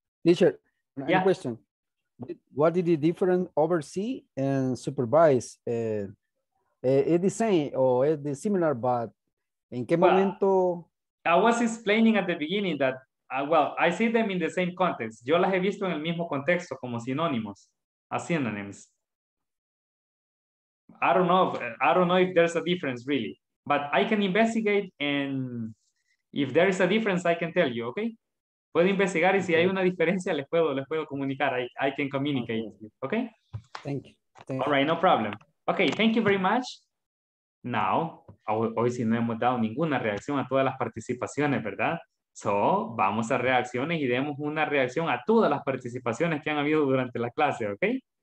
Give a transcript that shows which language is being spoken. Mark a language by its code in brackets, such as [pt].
[en] Teacher, any question? What is the difference oversee and supervise? Is the same or is the similar, but in [es] qué momento? [en] I was explaining at the beginning that, I see them in the same context. [es] Yo las he visto en el mismo contexto como sinónimos, [en] as synonyms. I don't know if there's a difference really, but I can investigate and if there is a difference, I can tell you, okay? [es] Puedo investigar y si hay una diferencia, les puedo comunicar. [en] I can communicate, okay? Thank you. All right, no problem. Okay, thank you very much. [es] Now, hoy sí no hemos dado ninguna reacción a todas las participaciones, ¿verdad? So, vamos a reacciones y demos una reacción a todas las participaciones que han habido durante la clase, okay?